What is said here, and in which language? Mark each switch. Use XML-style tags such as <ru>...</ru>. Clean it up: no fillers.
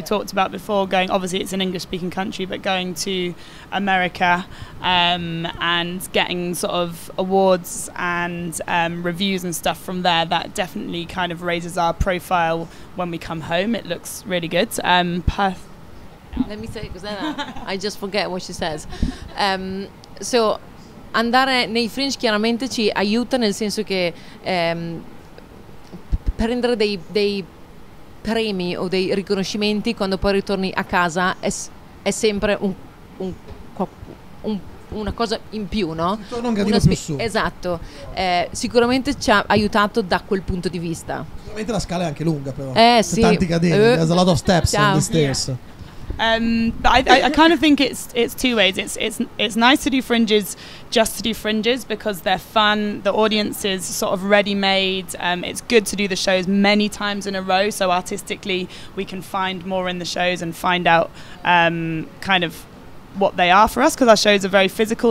<en>We talked about before going, obviously it's an English-speaking country, but going to America and getting sort of awards and reviews and stuff from there, that definitely kind of raises our profile when we come home. It looks really good. Perth. Let me say, because I just forget what she says.</en> <it>So andare nei fringe chiaramente ci aiuta, nel senso che prendere dei premi o dei riconoscimenti quando poi ritorni a casa è sempre una cosa in più, no? Un gradino più su. Esatto. Sicuramente ci ha aiutato da quel punto di vista. Sicuramente la scala è anche lunga, però. Sì. Tanti gradini.</it> <en>There's a lot of steps on the stairs. Yeah. But I kind of think it's two ways. It's nice to do fringes, just to do fringes, because they're fun. The audience is sort of ready made. It's good to do the shows many times in a row, so artistically we can find more in the shows and find out kind of what they are for us, because our shows are very physical.</en>